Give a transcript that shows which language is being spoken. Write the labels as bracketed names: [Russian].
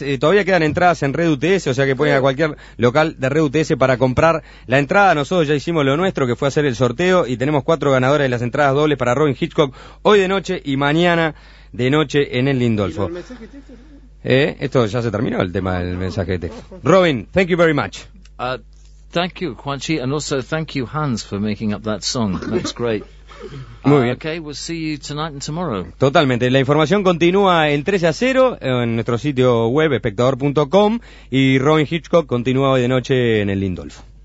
[Spanish] Todavía quedan entradas en Red UTS, o sea que pueden ir a cualquier local de Red UTS para comprar la entrada. Nosotros ya hicimos lo nuestro, que fue hacer el sorteo, y tenemos 4 ganadores de las entradas dobles para Robin Hitchcock hoy de noche y mañana de noche en el Lindolfo. Esto ya se terminó, el tema del mensaje de texto. [English] Robin, thank you very much. Thank you, Quanchi, and also thank you, Hans, for making up that song. That's great. [Spanish] Muy bien. [English] Okay, we'll see you tonight and tomorrow. [Spanish] Totalmente. La información continúa en 13-0 en nuestro sitio web, espectador.com, y Robin Hitchcock continúa hoy de noche en el Lindolfo.